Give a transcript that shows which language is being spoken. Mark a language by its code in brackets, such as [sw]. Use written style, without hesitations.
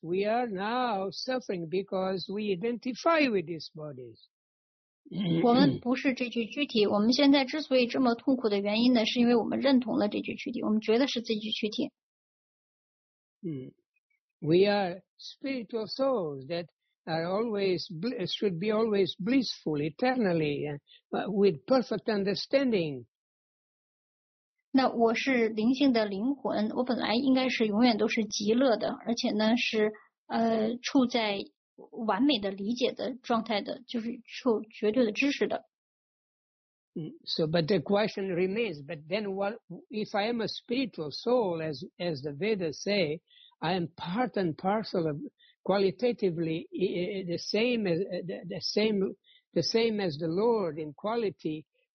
[en] We are now suffering because we identify with these bodies. [zh] 我们不是这具躯体，我们现在之所以这么痛苦的原因呢，是因为我们认同了这具躯体，我们觉得是这具躯体。 [en] We are spiritual souls that are always should be always blissful, eternally, with perfect understanding. [zh] 那我是灵性的灵魂，我本来应该是永远都是极乐的，而且呢是处在完美的理解的状态的，就是处绝对的知识的。 [en] So, but the question remains. But then, what if I am a spiritual soul, as the Vedas say, I am part and parcel of, qualitatively the same as the Lord in quality.